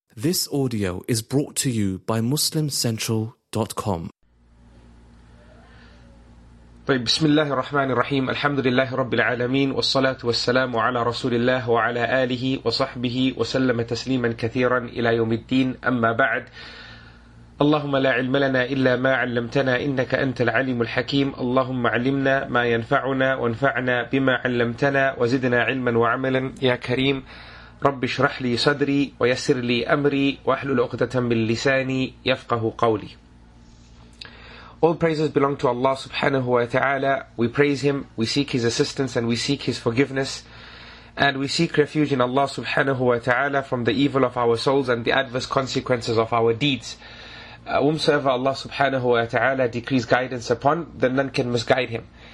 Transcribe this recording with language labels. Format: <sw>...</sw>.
<en>This audio is brought to you by MuslimCentral.com.</en> <ar>طيب بسم الله الرحمن الرحيم الحمد لله رب العالمين والصلاة والسلام على رسول الله وعلى آله وصحبه وسلم تسليما كثيرا إلى يوم الدين أما بعد اللهم لا علم لنا إلا ما علمتنا إنك أنت العليم الحكيم اللهم علمنا ما ينفعنا وانفعنا بما علمتنا وزدنا علما وعملا يا كريم رب اشرح لي صدري ويسر لي أمري واحلل عقدة من لساني يفقه قولي.</ar> <en>All praises belong to Allah subhanahu wa ta'ala. We praise Him, we seek His assistance and we seek His forgiveness. And we seek refuge in Allah subhanahu wa ta'ala from the evil of our souls and the adverse consequences of our deeds. Whomsoever Allah subhanahu wa ta'ala decrees guidance upon, then none can misguide him.</en>